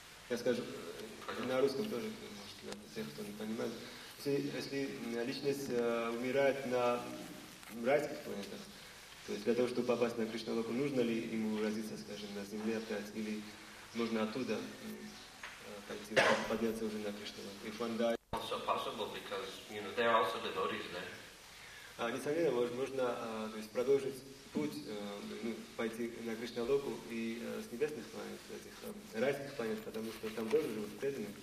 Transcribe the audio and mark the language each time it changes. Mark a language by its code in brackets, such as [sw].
[ru] Я скажу на русском тоже, может, для тех, кто не понимает. если личность умирает на райских планетах, то есть для того, чтобы попасть на Кришналоку, нужно ли ему родиться, скажем, на Земле опять, или можно оттуда пойти, подняться уже на Кришналоку? [en] If one dies, also possible because, you know, there are also devotees there. [ru] Несомненно, можно то есть продолжить путь, ну, пойти на Кришналоку и с небесных планет, с этих райских планет, потому что там тоже живут преданные.